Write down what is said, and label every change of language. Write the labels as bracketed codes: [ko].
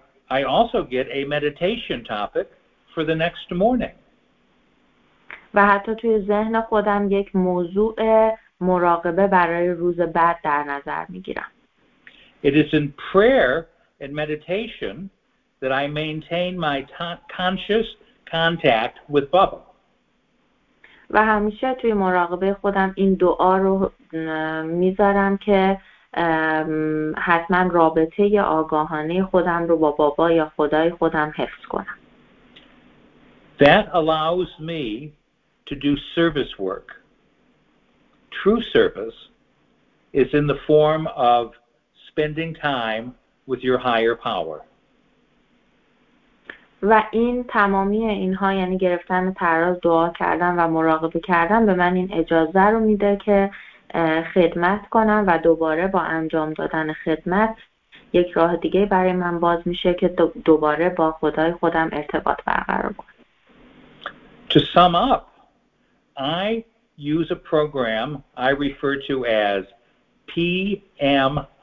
[en] I also get a meditation topic for the next morning. [fa] و حتی توی ذهن خودم یک موضوع مراقبه برای روز بعد در نظر میگیرم. [en] It is in prayer and meditation that I maintain my conscious contact with Baba. [fa] و همیشه توی مراقبه خودم این دعا رو میذارم که حتما رابطه آگاهانه خودم رو با بابا یا خدای خودم حفظ کنم. [en] That allows me to do service work. True service is in the form of spending time with your higher power. [fa] و این تمامی اینها یعنی گرفتن تراز دعا کردن و مراقبه کردن به من این اجازه رو میده که خدمت کنم و دوباره با انجام دادن خدمت یک راه دیگه برای من باز میشه که دوباره با خدای خودم ارتباط برقرار کنم. [en] To sum up, I use a program I refer to as PMISS.